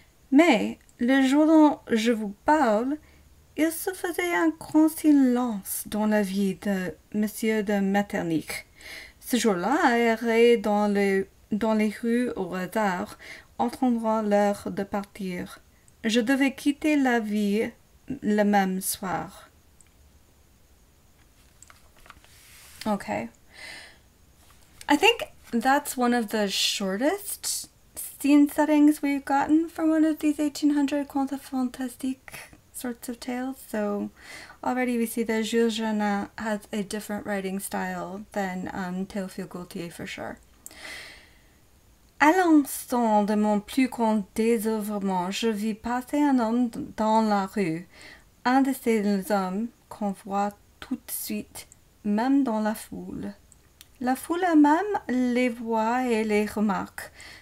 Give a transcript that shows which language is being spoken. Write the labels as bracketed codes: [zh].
[fr] Mais le jour dont je vous parle, il se faisait un grand silence dans la vie de Monsieur de Metternich. Ce jour-là, erré dans les rues au hasard, entendant l'heure de partir. Je devais quitter la ville le même soir. [en] Ok. I think that's one of the shortest scene settings we've gotten from one of these 1800 contes fantastiques sorts of tales. So already we see that Jules Janin has a different writing style than Théophile Gautier for sure. [fr] À l'instant de mon plus grand désœuvrement, je vis passer un homme dans la rue, un de ces hommes qu'on voit tout de suite, même dans la foule. La foule elle-même les voit et les remarque.